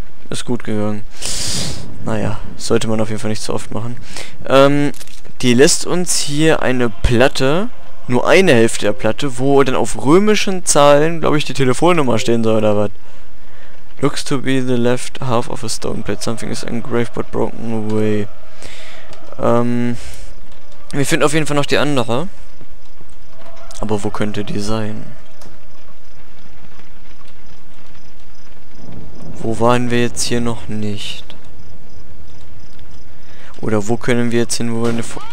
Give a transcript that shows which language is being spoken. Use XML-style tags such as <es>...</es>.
<de>Ist gut gegangen. Naja, sollte man auf jeden Fall nicht zu oft machen. Die lässt uns hier eine Platte, nur eine Hälfte der Platte, wo dann auf römischen Zahlen, glaube ich, die Telefonnummer stehen soll oder was.</de> <en>Looks to be the left half of a stone plate. Something is engraved but broken away.</en> <de>Wir finden auf jeden Fall noch die andere. Aber wo könnte die sein? Wo waren wir jetzt hier noch nicht? Oder wo können wir jetzt hin, wo wir eine...</de>